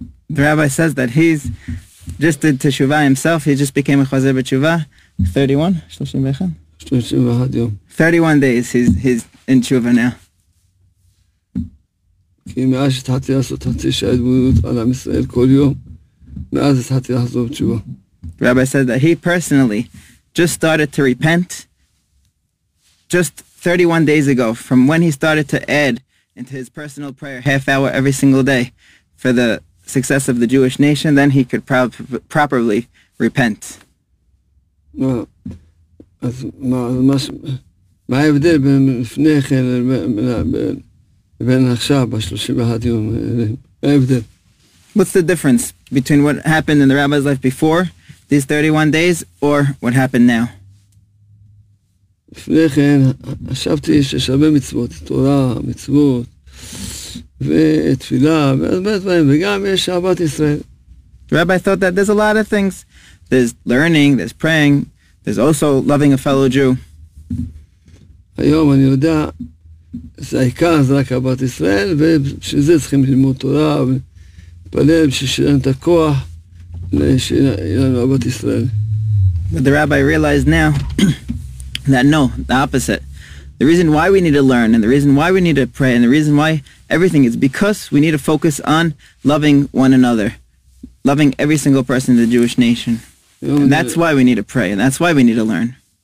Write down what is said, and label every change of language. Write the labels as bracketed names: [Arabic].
[English] The rabbi says that he's just did teshuva himself he just became a chozer b'tshuva 31 days he's in tshuva now [Hebrew] כי מאז התחלתי לעשות חצי שעה התבוננות על עם ישראל כל יום מאז התחלתי לחזור בתשובה [English] The rabbi says that he personally just started to repent just 31 days ago from when he started to add into his personal prayer half hour every single day for the success of the Jewish nation then he could properly repent what's the difference between what happened in the rabbi's life before these 31 days or what happened now [Hebrew] לפני כן, חשבתי שיש הרבה מצוות, תורה, מצוות, ותפילה, וגם יש אהבת ישראל. [English] The rabbi thought that there's a lot of things. There's learning, there's praying, there's also loving a fellow Jew. [Hebrew] היום אני יודע, זה העיקר, זה רק אהבת ישראל, ובשביל זה צריכים ללמוד תורה, ולהתפלל בשביל שלנו את הכוח, שיהיה לנו אהבת ישראל. [English] But the rabbi realized now, that no, the opposite. The reason why we need to learn and the reason why we need to pray and the reason why everything is because we need to focus on loving one another, loving every single person in the Jewish nation. And that's why we need to pray and that's why we need to learn.